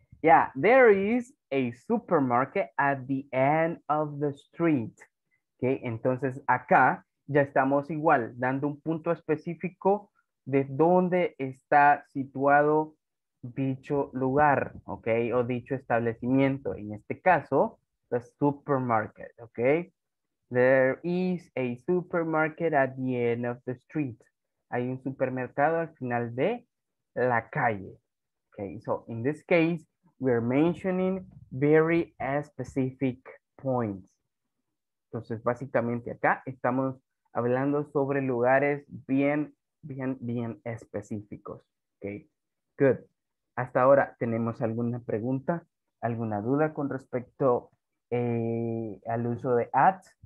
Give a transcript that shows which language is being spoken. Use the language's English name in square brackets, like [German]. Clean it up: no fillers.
[English] Yeah, there is a supermarket at the end of the street. [Spanish] Okay, entonces acá ya estamos igual, dando un punto específico de dónde está situado dicho lugar, okay, o dicho establecimiento. En este caso, [English] the supermarket, [Spanish] okay. [English] There is a supermarket at the end of the street. [Spanish] Hay un supermercado al final de la calle. [English] Okay, so in this case, we're mentioning very specific points. [Spanish] Entonces, básicamente acá estamos hablando sobre lugares bien, bien, bien específicos. Okay, good. Hasta ahora, ¿tenemos alguna pregunta, alguna duda con respecto al uso de at?